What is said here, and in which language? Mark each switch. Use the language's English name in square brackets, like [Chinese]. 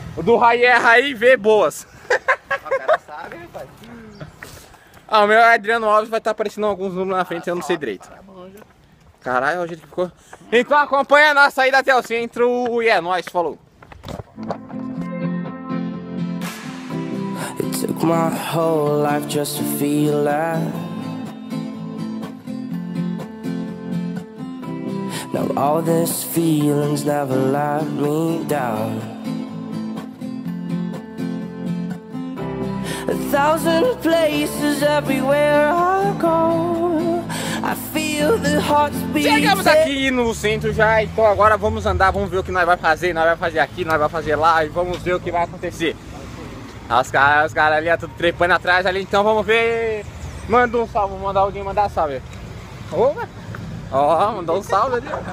[Portuguese] O do Raí é Raí V Boas. O cara sabe, rapaz. Ah, o meu Adriano Alves vai estar aparecendo alguns números na frente, eu não sei direito. Caralho, o jeito que ficou. Então acompanha a nossa saída até o centro e é nóis, falou. [English] It took my whole life just to feel that. Now all this feelings never let me down. A thousand places everywhere I go. I feel the heartbeat. [Portuguese] Chegamos aqui no centro já, então agora vamos andar, vamos ver o que nós vamos fazer. Nós vamos fazer aqui, nós vamos fazer lá e vamos ver o que vai acontecer. Os caras ali, tudo trepando atrás ali, então vamos ver. Manda um salve, manda alguém mandar salve. Ó, mandou um salve ali.